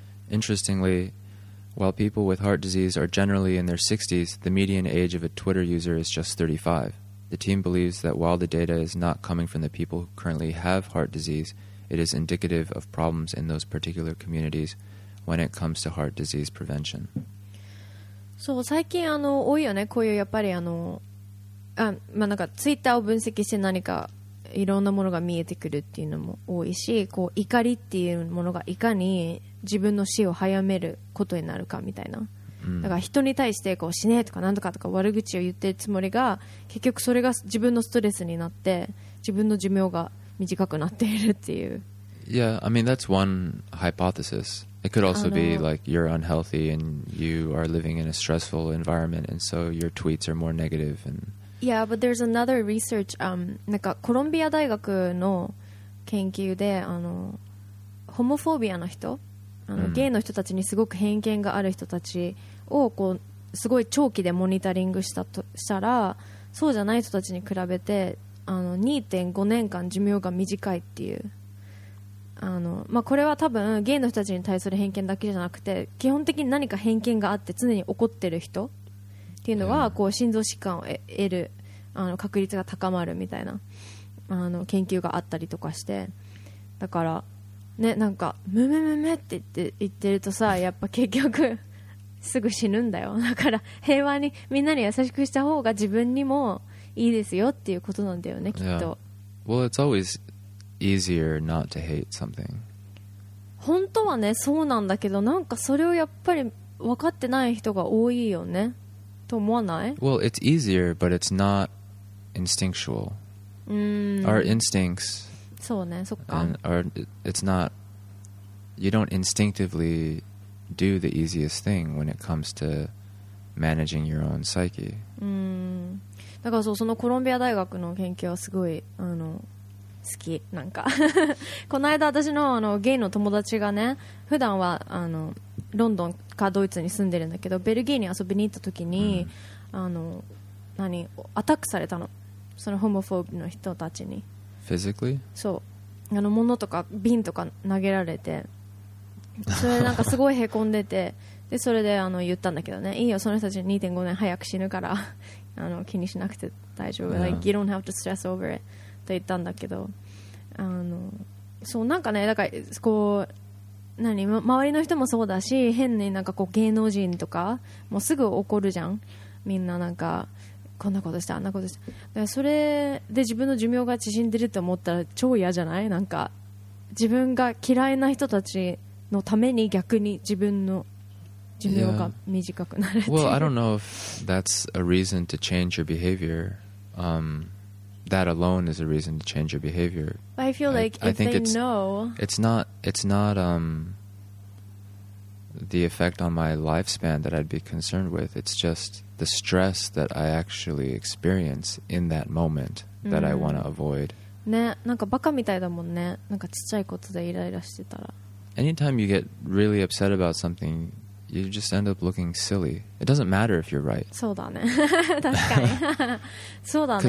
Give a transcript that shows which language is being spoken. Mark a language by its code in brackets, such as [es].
[en] Interestingly,while people with heart disease are generally in their 60s, the median age of a Twitter user is just 35. The team believes that while the data is not coming from the people who currently have heart disease, it is indicative of problems in those particular communities when it comes to heart disease prevention. [ja] そう、最近あの多いよね、こういうやっぱりあの、あ、まあなんかツイッターを分析して何かいろんなものが見えてくるっていうのも多いし、こう怒りっていうものがいかに自分の死を早めることになるかみたいな、だから人に対してこう死ねとかなんとかとか悪口を言ってるつもりが、結局それが自分のストレスになって自分の寿命が短くなっているっていう。 [en] Yeah, I mean that's one hypothesis. It could also be like you're unhealthy and you are living in a stressful environment and so your tweets are more negative and... Yeah, but there's another research、 [ja] なんかコロンビア大学の研究で、あのホモフォービアの人、あのゲイの人たちにすごく偏見がある人たちをこうすごい長期でモニタリング したら、そうじゃない人たちに比べて 2.5 年間寿命が短いっていう、あの、まあ、これは多分ゲイの人たちに対する偏見だけじゃなくて、基本的に何か偏見があって常に怒ってる人っていうのはこう心臓疾患を得るあの確率が高まるみたいな、あの研究があったりとかして、だからね、なんかムメムメって言ってるとさ、やっぱ結局すぐ死ぬんだよ。だから平和にみんなに優しくした方が自分にもいいですよっていうことなんだよね、きっと。 [en] Yeah. Well, it's always easier not to hate something. [ja] 本当はね、そうなんだけど、なんかそれをやっぱり分かってない人が多いよねと思わない？ [en] Well, it's easier, but it's not instinctual. Our instincts. [ja] そうね、そっか。 [en] It's not, you don't instinctively do the easiest thing when it comes to managing your own psyche. [ja] だからそう、そのコロンビア大学の研究はすごいあの好き、なんかこの間私 の, あのゲイの友達がね、普段はあのロンドンかドイツに住んでるんだけど、ベルギーに遊びに行った時に、あの何アタックされたの、そのホモフォービーの人たちに。 [en] Physically? [ja] そう、あの物とか瓶とか投げられて、それなんかすごいへこんでて、でそれであの言ったんだけどね、いいよその人たち 2.5 年早く死ぬからあの気にしなくて大丈夫、 [en] yeah. like, you don't have to stress over it [ja] と言ったんだけど、あのそうなんかね、だからこう何、周りの人もそうだし、変になんかこう芸能人とかもうすぐ怒るじゃん、みんななんかこんなことしたあんなことした、それで自分の寿命が縮んでると思ったら超嫌じゃない、なんか自分が嫌いな人たちのために逆に自分の寿命が短くなる、 [en] yeah. Well, I don't know if that's a reason to change your behavior、that alone is a reason to change your behavior、 But、I feel like I if they it's, know it's not, it's not、the effect on my lifespan that I'd be concerned with, it's just the stress that I actually experience in that moment that、mm-hmm. I want to avoid、 [ja] ね、なんかバカみたいだもんね、なんかちっちゃいことでイライラしてたら、 [en] Anytime you get really upset about something, you just end up looking silly. It doesn't matter if you're right. [ja] そうだね、確かにそうだね、